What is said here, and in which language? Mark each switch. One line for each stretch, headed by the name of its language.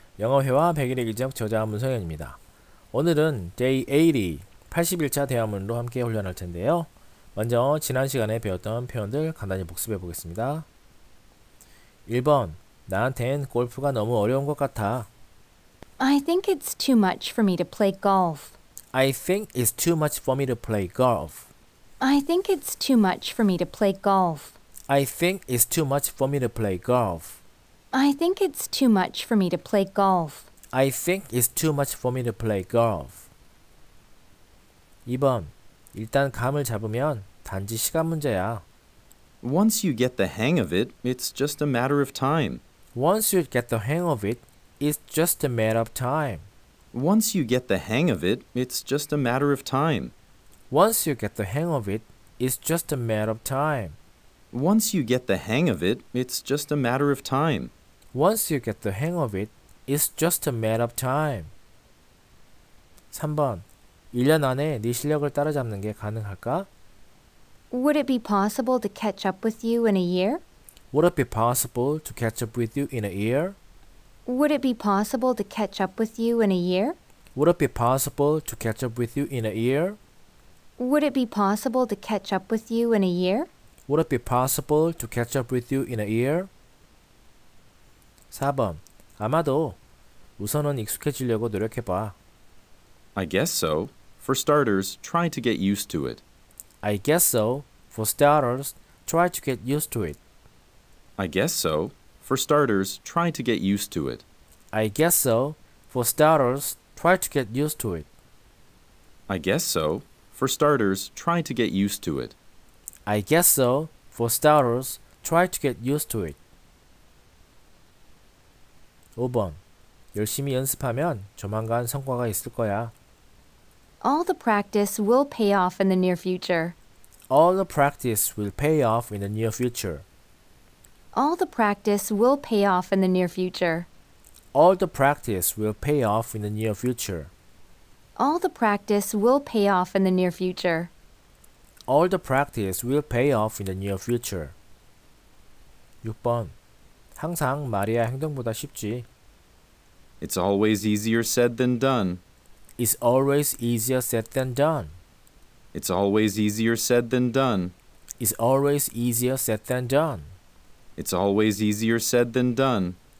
Korean: 영어 회화 100일 일기장 저자 문성현입니다. 오늘은 Day 80, 80일차 대화문으로 함께 훈련할 텐데요. 먼저 지난 시간에 배웠던 표현들 간단히 복습해 보겠습니다. 1번, 나한텐 골프가 너무 어려운 것 같아.
English: I think it's too much for me to play golf. I think it's too much for me to play golf. I think it's too much for me to play golf. I think it's too much for me to play golf. I think it's too much for me to play golf. I think it's too much for me to play golf.
Korean: 2번, 일단 감을 잡으면 단지 시간 문제야.
English: Once you get the hang of it, it's just a matter of time. Once you get the hang of it, it's just a matter of time. Once you get the hang of it, it's just a matter of time. Once you get the hang of it, it's just a matter of time. Once you get the hang of it, it's just a matter of time. Once you get the hang of it, it's just a matter of time.
Korean: 3번. 1년 안에 네 실력을 따라잡는 게 가능할까?
English: Would it be possible to catch up with you in a year? Would it be possible to catch up with you in a year? Would it be possible to catch up with you in a year? Would it be possible to catch up with you in a year? Would it be possible to catch up with you in a year? Would it be possible to catch up with you in a year?
Korean: 4번. 아마도 우선은 익숙해지려고 노력해 봐.
English: I guess so. For starters, try to get used to it. I guess so. For starters, try to get used to it. I guess so. For starters, try to get used to it. I guess so. For starters, try to get used to it. I guess so. For starters, try to get used to it. I guess so. For starters, try to get used to it.
Korean: 5번. 열심히 연습하면 조만간 성과가 있을 거야.
English: All the practice will pay off in the near future. All the practice will pay off in the near future. All the practice will pay off in the near future. All the practice will pay off in the near future. All the practice will pay off in the near future. All the practice will pay off in the near future.
Korean: 6번. 항상 말이야 행동보다 쉽지.
English: It's always easier said than done. It's always easier said than done. It's always easier said than done. It's always easier said than done. It's always easier said than done.